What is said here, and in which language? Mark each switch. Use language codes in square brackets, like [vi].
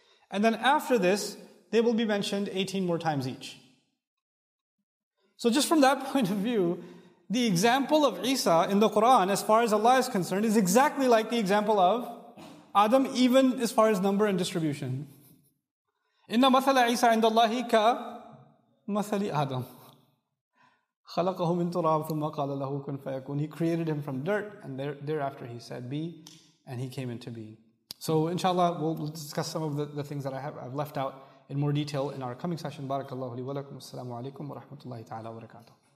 [en] And then after this, they will be mentioned 18 more times each. So just from that point of view, the example of Isa in the Qur'an, as far as Allah is concerned, is exactly like the example of Adam, even as far as number and distribution. [ar] إِنَّ مَثَلَ عِيسَىٰ عِنْدَ اللَّهِ كَمَثَلِ Adam. خَلَقَهُ مِنْ تُرَابٍ ثُمَّ قَالَ لَهُ كُنْ فَيَكُونَ. [en] He created him from dirt, and thereafter he said, be, and he came into being. So inshallah, we'll discuss some of the things that I've left out in more detail in our coming session. [ar] بارك الله لي ولكم. السلام عليكم ورحمة الله تعالى وبركاته.